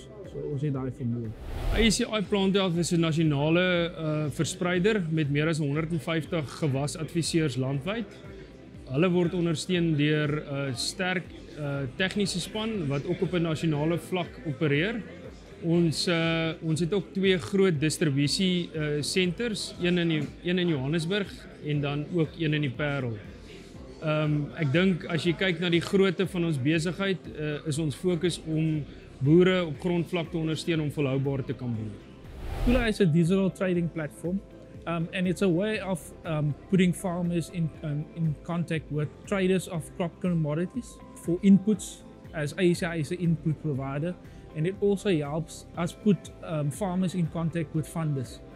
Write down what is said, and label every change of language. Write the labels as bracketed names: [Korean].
[Afrikaans] So ons het daai vermoë. ACI Plant Health is 'n nasionale verspreider met meer as 150 gewasadviseurs landwyd. Hulle word ondersteun deur 'n sterk tegniese span wat ook op 'n nasionale vlak opereer. Ons het ook twee groot distribusie senters, een in Johannesburg en dan ook een in die Parel. Ek dink as jy kyk na die grootte van ons besigheid, is ons fokus om boere op grondvlak te ondersteun om volhoubaar te kan boer. [English] Kula is a digital trading platform. And it's a way of putting farmers in contact with traders of crop commodities for inputs as ASI is an input provider. And it also helps us put farmers in contact with funders.